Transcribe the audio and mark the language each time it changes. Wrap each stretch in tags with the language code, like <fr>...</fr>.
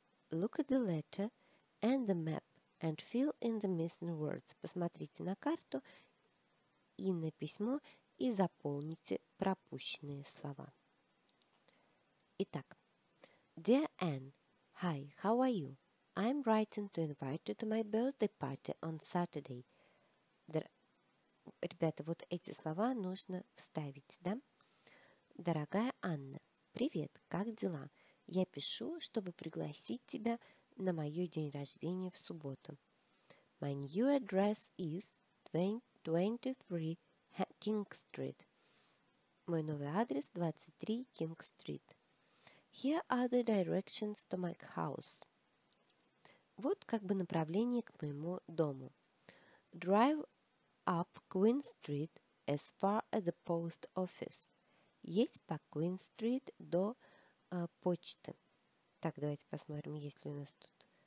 <en>Look at the letter and the map and fill in the missing words.</en> <ru>Посмотрите на карту и на письмо и заполните пропущенные слова. Итак,</ru> <en>Dear Anne, hi, how are you? I'm writing to invite you to my birthday party on Saturday.</en> <ru>Ребята, вот эти слова нужно вставить, да? Дорогая Анна, привет, как дела? Я пишу, чтобы пригласить тебя на мое день рождения в субботу.</ru> <en>My new address is 23 King Street.</en> <ru>Мой новый адрес</ru> <en>23 King Street. Here are the directions to my house.</en> <ru>Вот как бы направление к моему дому.</ru> <en>Drive up Queen Street as far as the post office.</en> <ru>Едь по Queen Street до почты. Так, давайте посмотрим, есть ли у нас тут.</ru>